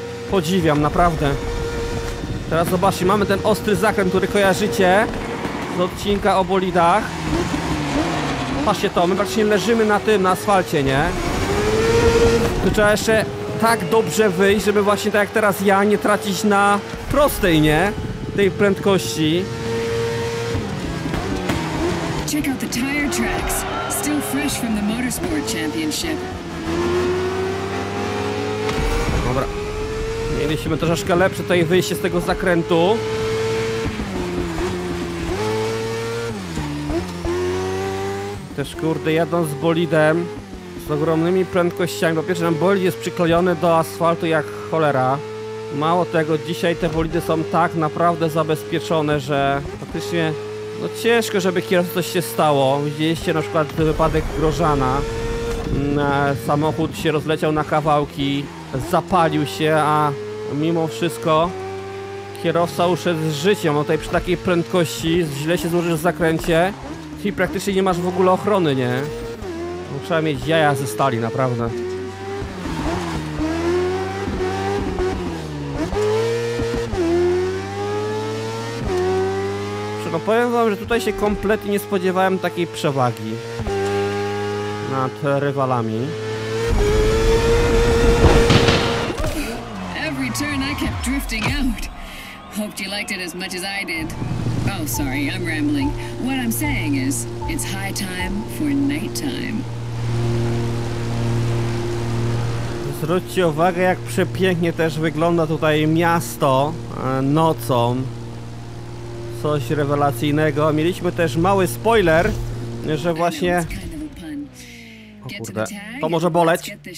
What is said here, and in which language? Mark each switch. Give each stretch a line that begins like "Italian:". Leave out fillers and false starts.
Polish: Podziwiam, naprawdę. Teraz zobaczcie, mamy ten ostry zakręt, który kojarzycie z odcinka o bolidach. Patrzcie to, my praktycznie leżymy na tym, na asfalcie, nie? Tu trzeba jeszcze tak dobrze wyjść, żeby właśnie tak jak teraz ja, nie tracić na prostej, nie? Tej prędkości.
English: Check out the tire tracks. Still fresh from the motorsport championship.
Polish: Dobra. Mieliśmy troszeczkę lepsze tutaj wyjście z tego zakrętu. Też kurde, jadąc z bolidem z ogromnymi prędkościami, po pierwsze nam bolid jest przyklejony do asfaltu jak cholera. Mało tego, dzisiaj te bolidy są tak naprawdę zabezpieczone, że faktycznie no ciężko, żeby kierowcy coś się stało. Widzieliście na przykład wypadek Grożana. Samochód się rozleciał na kawałki, zapalił się, a mimo wszystko kierowca uszedł z życiem. No tutaj przy takiej prędkości źle się złożysz w zakręcie i praktycznie nie masz w ogóle ochrony, nie? Trzeba mieć jaja ze stali, naprawdę. No powiem wam, że tutaj się kompletnie nie spodziewałem takiej przewagi nad rywalami.
English: Every turn I kept drifting out. Hoped you liked it as much as I did. Oh, sorry, I'm rambling. What I'm saying is, it's high time for night time.
Polish: Zwróćcie uwagę, jak przepięknie też wygląda tutaj miasto nocą. Coś rewelacyjnego. Mieliśmy też mały spoiler, że właśnie... O kurde, to może boleć.